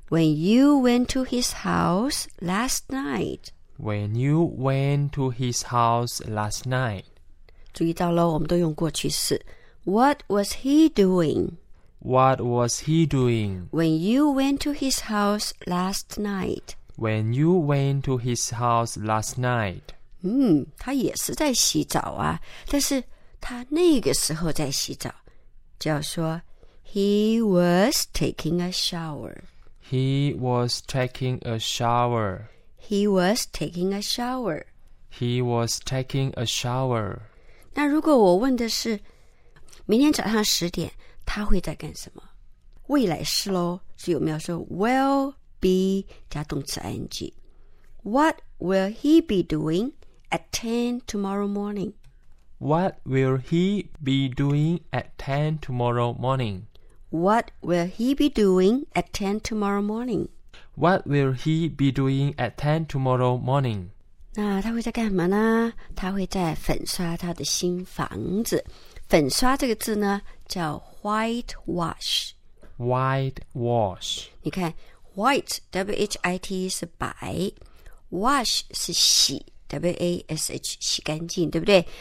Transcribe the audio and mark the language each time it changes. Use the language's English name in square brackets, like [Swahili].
[English] When you went to his house last night. When you went to his house last night. [Chinese] 注意到了我们都用过去式。 [English] What was he doing? What was he doing? When you went to his house last night. When you went to his house last night. [Chinese] 嗯，他也是在洗澡啊，但是他那个时候在洗澡，就要说 he was taking a shower. [English] He was taking a shower. He was taking a shower. He was taking a shower. [Chinese] 那如果我问的是，明天早上十点，他会在干什么？未来式咯，所以我们要说 will be 加动词 ing. [English] What will he be doing at 10 tomorrow morning? What will he be doing at 10 tomorrow morning? What will he be doing at 10 tomorrow morning? What will he be doing at 10 tomorrow morning? [Chinese] 那他会在干嘛呢？他会在粉刷他的新房子。粉刷这个字呢，叫 white wash. White wash. 你看 ，white W-H-I-T-E 是白 ，wash 是洗 W-A-S-H 洗干净，对不对？